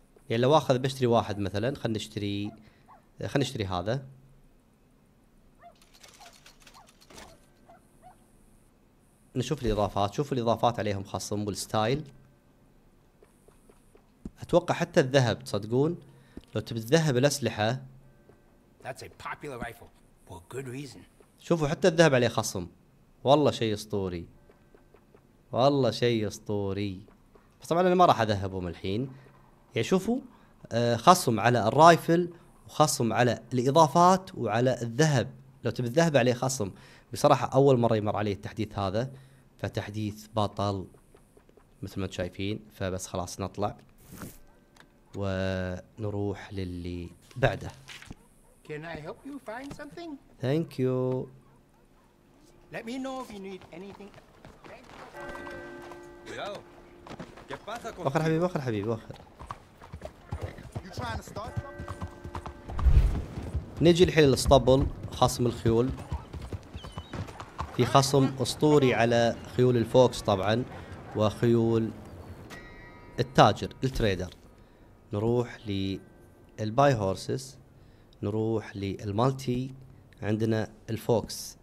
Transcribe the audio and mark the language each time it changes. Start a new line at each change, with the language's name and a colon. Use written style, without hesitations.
Arabic: يعني لو أخذ بشتري واحد مثلا، خلنا نشتري هذا، نشوف الإضافات، شوف الإضافات عليهم خصم والستايل. أتوقع حتى الذهب تصدقون لو تبي الذهب الأسلحة.
English: That's a popular rifle for good reason.
Arabic: شوفوا حتى الذهب عليه خصم، والله شيء أسطوري، والله شيء أسطوري. بس طبعا أنا ما راح أذهبهم الحين، يا شوفوا خصم على الرايفل وخصم على الإضافات وعلى الذهب، لو تبي الذهب عليه خصم. بصراحة أول مرة يمر علي التحديث هذا، فتحديث بطل مثل ما انتم شايفين. فبس خلاص نطلع ونروح للي بعده.
English: Can I help you find something? Thank you. Let me know if you need anything.
Spanish: Cuidado. ¿Qué pasa con? واخر حبيبي واخر حبيبي واخر.
English: You trying to start something?
Arabic: نجي الحين للاسطبل، خصم الخيول. في خصم اسطوري على خيول الفوكس طبعا وخيول التاجر التريدر. نروح للباي هورسز، نروح للمالتي، عندنا الفوكس.